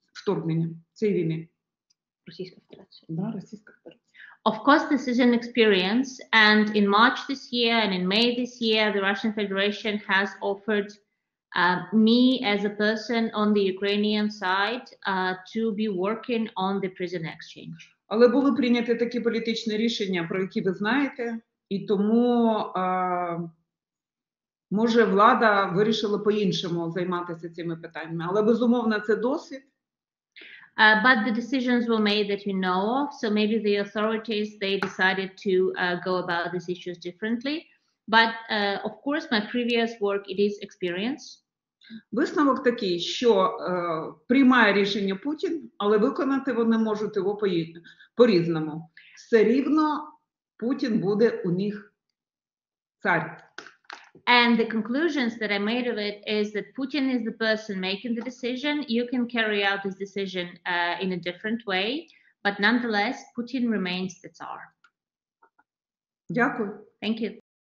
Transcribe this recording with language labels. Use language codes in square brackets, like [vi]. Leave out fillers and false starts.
[en] Of course, this is an experience, and in March this year and in May this year, the Russian Federation has offered me as a person on the Ukrainian side to be working on the prison exchange. [uk] Але були прийняті такі політичні рішення, про які ви знаєте, і тому може влада вирішила по-іншому займатися цими питаннями. Але безумовно, це досвід. [en] But the decisions were made that you know of, so maybe the authorities, they decided to go about these issues differently. But, of course, my previous work, it is experience. [uk] Висновок такий, що приймає рішення Путін, але виконати вони можуть його по-різному. Все рівно Путін буде у них цар. [en] And the conclusions that I made of it is that Putin is the person making the decision. You can carry out this decision in a different way, but nonetheless, Putin remains the Tsar. [uk] Дякую. [en] Thank you.